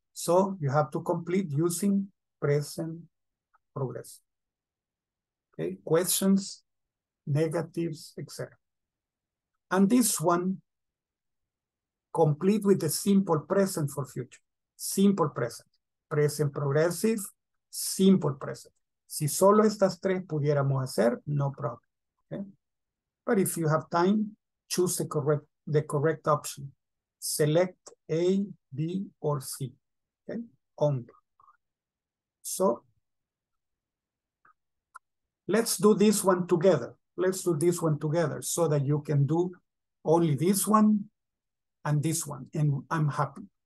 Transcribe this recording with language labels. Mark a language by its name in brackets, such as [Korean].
[English] So you have to complete using present progress. Okay, questions, negatives, etc. And this one, complete with the simple present for future. Simple present. Present progressive, simple present. [Spanish] Si solo estas tres pudiéramos hacer, [English] no problem. Okay? But if you have time, choose the correct option. Select A, B, or C. Okay? On. So, let's do this one together. Let's do this one together so that you can do only this one and this one, and I'm happy.